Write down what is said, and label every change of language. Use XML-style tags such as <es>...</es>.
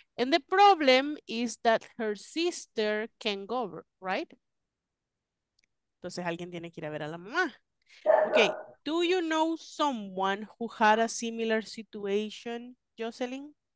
<en>And the problem is that her sister can go, right?</en> <es>Entonces alguien tiene que ir a ver a la mamá.</es> <en>Okay, do you know someone who had a similar situation, Jocelyn?</en>